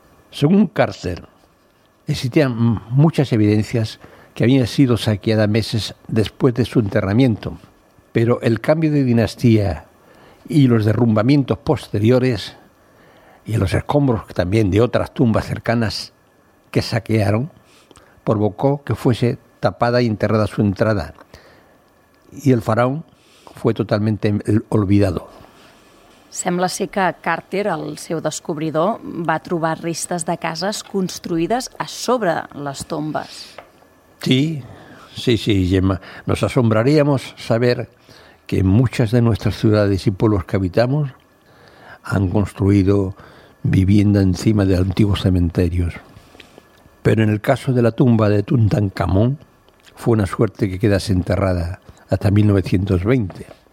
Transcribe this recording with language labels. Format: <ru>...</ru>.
<es>Según Carter, existían muchas evidencias que había sido saqueada meses después de su enterramiento, pero el cambio de dinastía y los derrumbamientos posteriores y los escombros también de otras tumbas cercanas que saquearon provocó que fuese tapada y enterrada su entrada y el faraón fue totalmente olvidado.</es> <ca>Sembla ser que Carter, el seu descobridor, va trobar restes de cases construïdes a sobre les tombes. Sí, Gemma.</ca> <es>Nos asombraríamos saber que muchas de nuestras ciudades y pueblos que habitamos han construido vivienda encima de antiguos cementerios. Pero en el caso de la tumba de Tutankamón, fue una suerte que quedase enterrada hasta 1920.</es>